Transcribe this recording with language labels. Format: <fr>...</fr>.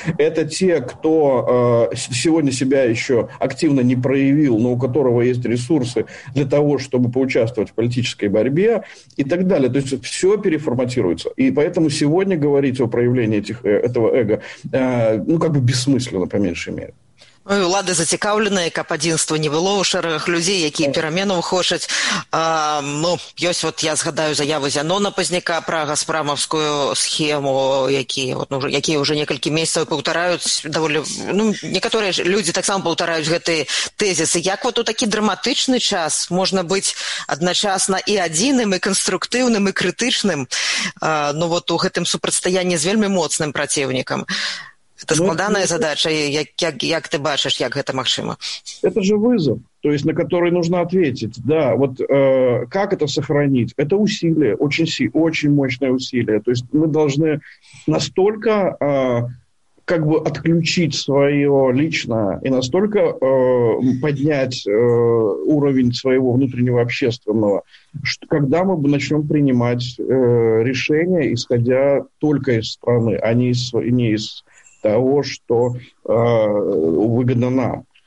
<ru>Это те, кто сегодня себя еще активно не проявил, но у которого есть ресурсы для того, чтобы поучаствовать в политической борьбе и так далее. То есть все переформатируется. И поэтому сегодня говорить о проявлении этого эго бессмысленно, по меньшей мере.</ru> <be>Ой, улады зацікаўленыя, каб адзінства не было ў шэрагах людзей, якія перамену хочуць. Ёсць, вот я згадаю заяву Зянона Пазняка пра гаспрамаўскую схему, якія ўжо некалькі месяцаў паўтараюць даволі, некаторыя ж людзі таксама паўтараюць гэтыя тэзісы. Як вот у такі драматычны час можна быць адначасна і адзіным, і канструктыўным, і крытычным, у гэтым супрацьстаянні з вельмі моцным праціўнікам?</be> <ru>Это складанная задача, как ты бачишь, как это максимум? Это же вызов, то есть на который нужно ответить. Да, вот как это сохранить? Это усилие, очень мощное усилие. То есть мы должны настолько отключить свое личное и настолько поднять уровень своего внутреннего общественного, что когда мы начнем принимать решения, исходя только из страны, а не из того, что выгодно нам.</ru>